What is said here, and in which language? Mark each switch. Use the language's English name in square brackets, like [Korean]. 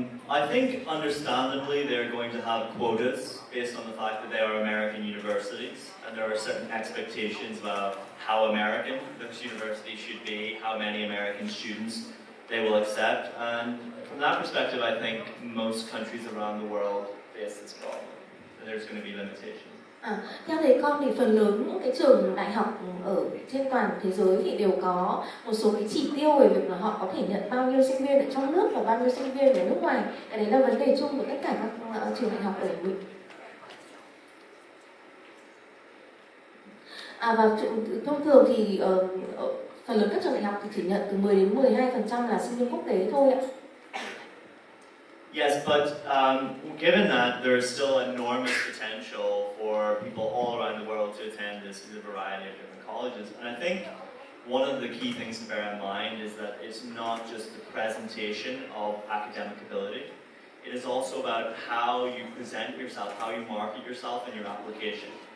[English] I think, understandably, they're going to have quotas based on the fact that they are American universities, and there are certain expectations about how American this university should be, how many American students they will accept, and from that perspective, I think most countries around the world face this problem, and there's going to be limitations. [Vietnamese] Theo thầy con thì phần lớn những cái trường đại học ở trên toàn thế giới thì đều có một số cái chỉ tiêu về việc là họ có thể nhận bao nhiêu sinh viên ở trong nước và bao nhiêu sinh viên ở nước ngoài. Cái đấy là vấn đề chung của tất cả các trường đại học ở Mỹ. Và thông thường thì phần lớn các trường đại học thì chỉ nhận từ 10 đến 12% là sinh viên quốc tế thôi ạ. [English] Yes, but given that there is still enormous potential for people all around the world to attend this in a variety of different colleges, and I think one of the key things to bear in mind is that it's not just the presentation of academic ability, it is also about how you present yourself, how you market yourself in your application.